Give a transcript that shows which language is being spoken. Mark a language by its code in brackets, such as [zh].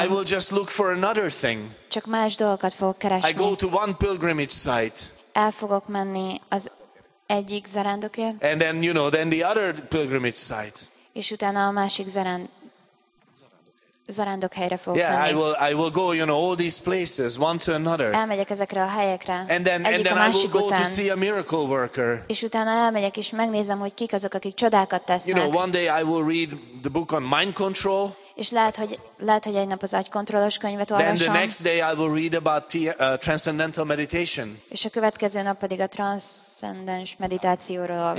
[en] I will just look for another thing. [hu] Csak más dolgokat fogok keresni. [en] I go to one pilgrimage site. [hu] El fogok menni az egyik zarándokért. [en] And then, you know, then the other pilgrimage site. [hu] És utána a másik zarándok helyre fogok [en] yeah, [hu] menni. [en] Yeah, I will go, you know, all these places, one to another. [hu] Elmegyek ezekre a helyekre. [en] And then I will go [hu] után. [en] To see a miracle worker. [hu] És utána elmegyek és megnézem, hogy kik azok, akik csodákat tesznek. [en] You know, one day I will read the book on mind control. [hu] És lehet, hogy egy nap az agykontrollos könyvet olvasom. [en] Then the next day I will read about transcendental meditation. [hu] És a következő nap pedig a transzcendens meditációról olvasom.